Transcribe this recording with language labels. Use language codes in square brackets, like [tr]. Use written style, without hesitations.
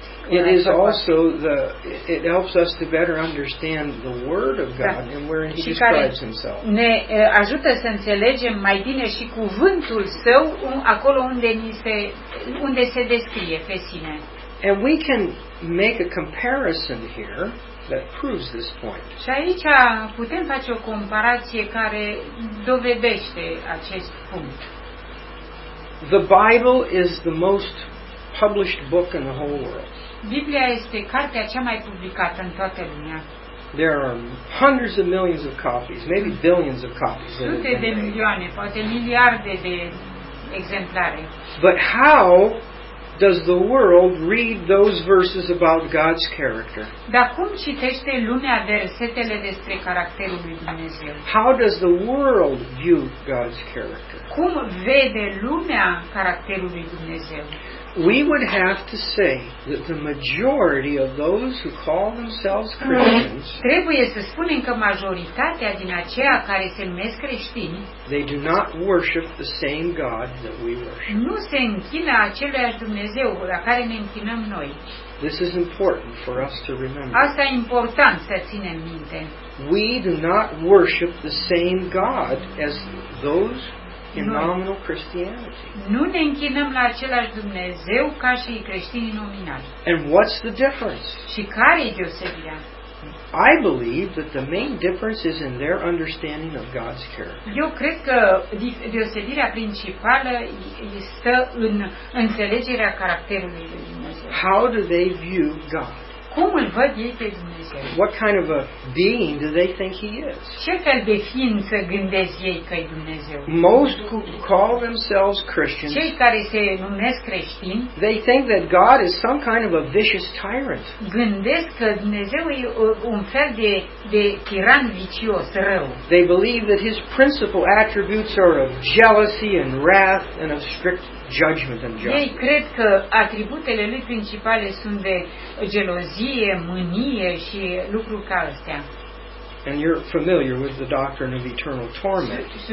[en] It is also the it helps us to better understand the Word of God and wherein He describes Himself. [ro] Ne ajută să înțelegem mai bine și cuvântul Său acolo unde se descrie pe sine. [en] And we can make a comparison here that proves this point. [ro] Și aici putem face o comparație care dovedește acest punct. [en] The Bible is the most published book in the whole world. [ro] Biblia este cartea cea mai publicată în toată lumea. [en] There are hundreds of millions of copies, maybe billions of copies. [ro] Sute de milioane, poate miliarde de exemplare. [en] But how does the world read those verses about God's character? [ro] Dar cum citește lumea versetele despre caracterul lui Dumnezeu? [en] How does the world view God's character? [ro] Cum vede lumea caracterul lui Dumnezeu? [en] We would have to say that the majority of those who call themselves Christians, [ro] trebuie să spunem că majoritatea din aceia care se numesc creștini, [en] they do not worship the same God that we worship. [ro] Nu se închină aceleași Dumnezeu la care ne închinăm noi. [en] This is important for us to remember. [ro] Asta e important să ținem minte. [en] We do not worship the same God as those in nominal Christianity. [ro] Nu ne închinăm la același Dumnezeu ca și creștinii nominali. [en] And what's the difference? [ro] Și care e deosebirea? [en] I believe that the main difference is in their understanding of God's character. [ro] Eu cred că deosebirea principală stă în înțelegerea caracterului lui Dumnezeu. [en] How do they view God? [ro] Cum îl văd ei pe Dumnezeu? [en] What kind of a being do they think He is? [ro] Ce fel de ființă gândesc ei că e Dumnezeu? [en] Most who call themselves Christians, [ro] cei care se numesc creștini, [en] they think that God is some kind of a vicious tyrant. [ro] Gândesc că Dumnezeu e un fel de tiran vicios, rău. [en] They believe that His principal attributes are of jealousy and wrath and of strict judgment and justice. [ro] Ei cred că atributele lui principale sunt de gelozie, mânie și lucruri ca astea. [en] And you're familiar with the doctrine of eternal torment.